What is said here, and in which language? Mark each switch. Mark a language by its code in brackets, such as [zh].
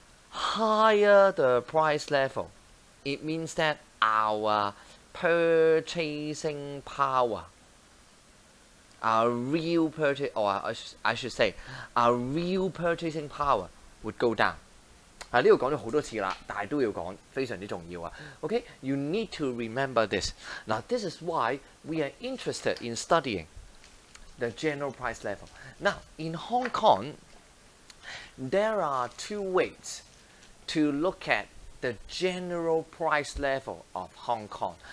[en] Higher the price level, it means that our purchasing power, our real purchase, or I should say, our real purchasing power would go down. [zh] 这个讲了很多次了，但是都要讲，非常之重要啊。 [en] Okay, you need to remember this. Now, this is why we are interested in studying the general price level. Now, in Hong Kong, there are two ways to look at the general price level of Hong Kong.